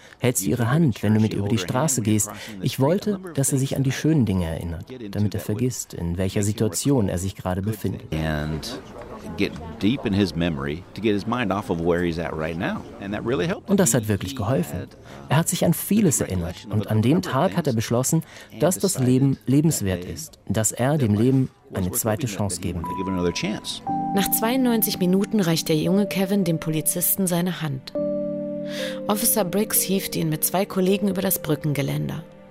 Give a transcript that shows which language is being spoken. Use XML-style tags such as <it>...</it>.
<de>Hältst du ihre Hand, wenn du mit ihr über die Straße gehst? Ich wollte, dass er sich an die schönen Dinge erinnert, damit er vergisst, in welcher Situation er sich gerade befindet.</de> <en>Und get deep in his memory to get his mind off of where he's at right now, and that really helped.</en> <de>Und das hat wirklich geholfen. Er hat sich an vieles erinnert und an dem Tag hat er beschlossen, dass das Leben lebenswert ist, dass er dem Leben eine zweite Chance geben will. Nach 92 Minuten reicht der junge Kevin dem Polizisten seine Hand. Officer Briggs hieft ihn mit zwei Kollegen über das Brückengeländer.</de>